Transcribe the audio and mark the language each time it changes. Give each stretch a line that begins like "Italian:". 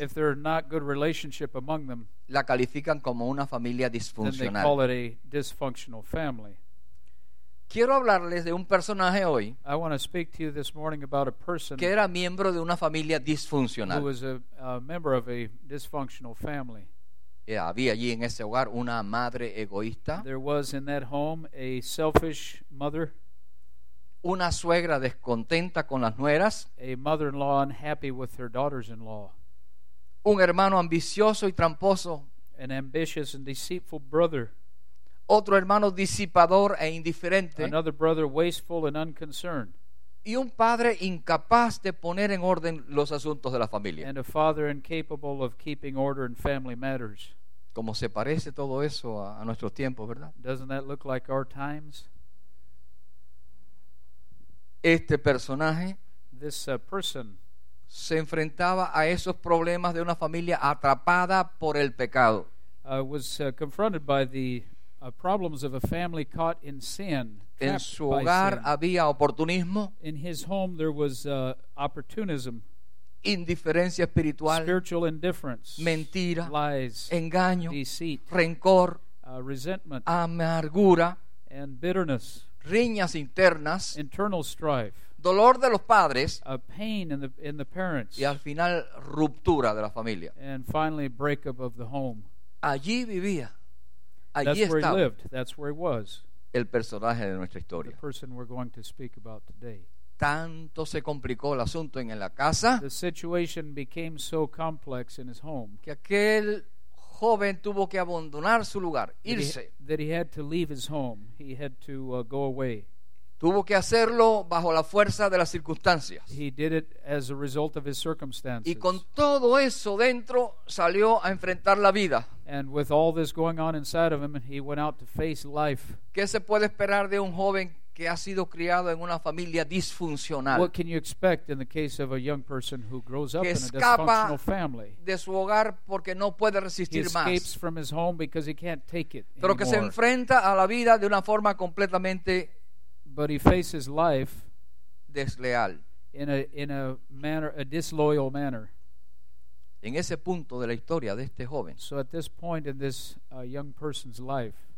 English: if there are not good relationship among them,
Spanish: la califican como una familia disfuncional.
English: Then they call it a dysfunctional family.
Spanish: Quiero hablarles de un personaje hoy.
English: I want to speak to you this morning about a person
Spanish: que era miembro de una familia disfuncional.
English: Who was a member of a dysfunctional family.
Spanish: Yeah, había allí en ese hogar una madre egoísta.
English: There was in that home a selfish mother.
Spanish: Una suegra descontenta con las nueras.
English: A mother-in-law unhappy with her daughters-in-law.
Spanish: Un hermano ambicioso y tramposo.
English: An ambitious and deceitful brother.
Spanish: Otro hermano disipador e indiferente.
English: Another brother wasteful and unconcerned.
Spanish: Y un padre incapaz de poner en orden los asuntos de la familia.
English: And a father incapable of keeping order in family matters.
Spanish: ¿Cómo se parece todo eso a nuestros tiempos, verdad?
English: Doesn't that look like our times?
Spanish: Este personaje,
English: this person,
Spanish: se enfrentaba a esos problemas de una familia atrapada por el pecado.
English: Was confronted by the problems of a family caught in sin.
Spanish: En su hogar había oportunismo.
English: In his home there was opportunism.
Spanish: Indiferencia espiritual.
English: Spiritual indifference.
Spanish: Mentira.
English: Lies.
Spanish: Engaño.
English: Deceit.
Spanish: Rencor.
English: Resentment.
Spanish: Amargura.
English: And bitterness.
Spanish: Riñas internas.
English: Internal strife.
Spanish: Dolor de los padres.
English: A pain in the parents.
Spanish: Y al final ruptura de la familia.
English: And finally breakup of the home.
Spanish: Allí vivía.
English: That's where he lived. That's where he was.
Spanish: El personaje de nuestra historia.
English: The person we're going to speak about today.
Spanish: Tanto se complicó el asunto en la casa.
English: The situation became so complex in his home.
Spanish: Que aquel joven tuvo que abandonar su lugar, irse.
English: That he had to leave his home. He had to go away.
Spanish: Tuvo que hacerlo bajo la fuerza de las circunstancias.
English: He did it as a result of his circumstances.
Spanish: Y con todo eso dentro salió a enfrentar la vida.
English: And with all this going on inside of him, he went out to face life.
Spanish: ¿Qué se puede esperar de un joven que ha sido criado en una familia disfuncional?
English: What can you expect in the case of a young person who grows up in a dysfunctional family?
Spanish: Que escapa de su hogar porque no puede resistir más.
English: He escapes from his home because he can't take it anymore.
Spanish: Pero que se enfrenta a la vida de una forma completamente
English: But he faces life
Spanish: desleal
English: in a disloyal manner.
Spanish: En ese punto de la historia de este joven.
English: So at this point in this young person's life,